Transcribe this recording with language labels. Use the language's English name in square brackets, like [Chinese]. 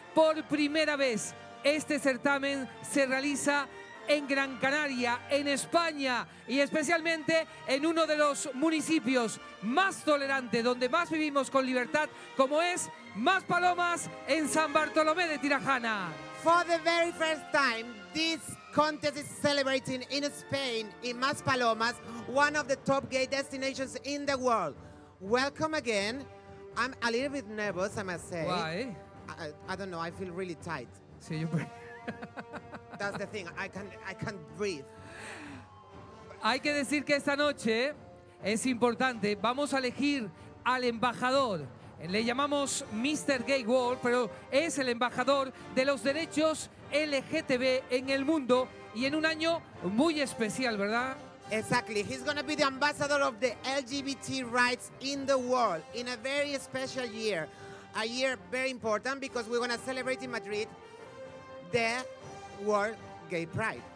[Spanish] Por primera vez, este certamen se realiza en Gran Canaria, en España, y especialmente en uno de los municipios más tolerantes, donde más vivimos con libertad, como es Maspalomas, en San Bartolomé de Tirajana. [English] For the very first time, this contest is celebrating in Spain, in Maspalomas, one of the top gay destinations in the world. Welcome again. I'm a little bit nervous, I must say. Why? I don't know, I feel really tight. See you. That's the thing, I can't breathe. [Spanish] Hay que decir que esta noche es importante. Vamos a elegir al embajador. Le llamamos Mr. Gay World, pero es el embajador de los derechos LGTB en el mundo y en un año muy especial, ¿verdad? [English] Exactly. He's going to be the ambassador of the LGBT rights in the world in a very special year. A year very important because we're going to celebrate in Madrid the World Gay Pride.